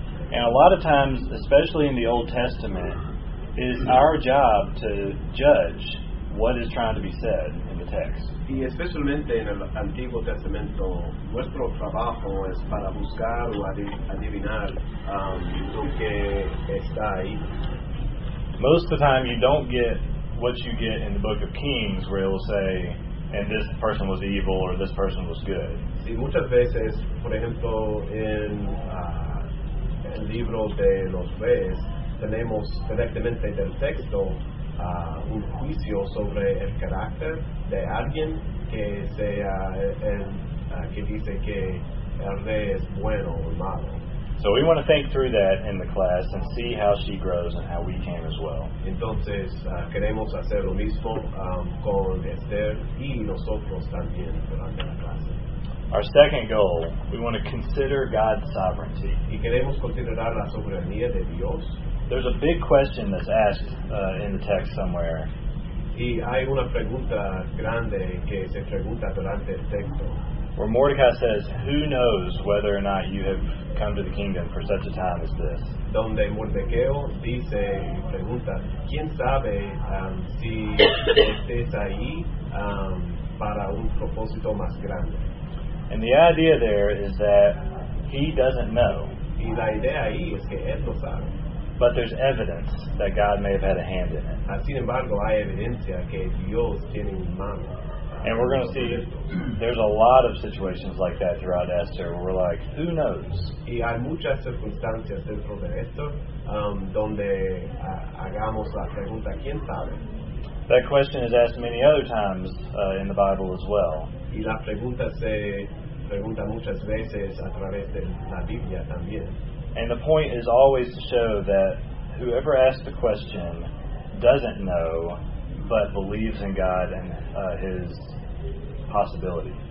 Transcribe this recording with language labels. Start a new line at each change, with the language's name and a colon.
English: And a lot of times, especially in the Old Testament, it is our job to judge what is trying to be said in the text.
Spanish: Y especialmente en el Antiguo Testamento, nuestro trabajo es para buscar o adivinar lo que está ahí.
English: Most of the time you don't get what you get in the Book of Kings where it will say, and this person was evil or this person was good.
Spanish: Sí, muchas veces, por ejemplo, en el libro de los Reyes, tenemos directamente del texto un juicio sobre el carácter de alguien que sea que dice que el rey es bueno o malo.
English: So we want to think through that in the class and see how she grows and how we can as well.
Spanish: Entonces, queremos hacer lo mismo con Esther y nosotros también durante la clase.
English: Our second goal, we want to consider God's sovereignty.
Spanish: Y queremos considerar la soberanía de Dios.
English: There's a big question that's asked in the text somewhere.
Spanish: Y hay una pregunta grande que se pregunta durante el texto.
English: Where Mordecai says, "Who knows whether or not you have come to the kingdom for such a time as this?"
Spanish: Donde Mordecai dice, pregunta, ¿quién sabe si estés ahí para un propósito más grande?
English: And the idea there is that he doesn't know.
Spanish: Y la idea ahí es que él no sabe.
English: But there's evidence that God may have had a hand in it.
Spanish: Sin embargo, hay evidencia que Dios tiene un mano.
English: And we're going to see there's a lot of situations like that throughout Esther where we're like, who knows?
Spanish: Y hay muchas circunstancias dentro de esto donde hagamos la pregunta, ¿quién sabe?
English: That question is asked many other times in the Bible as well.
Spanish: Y la pregunta se pregunta muchas veces a través de la Biblia también.
English: And the point is always to show that whoever asks the question doesn't know but believes in God and his possibility.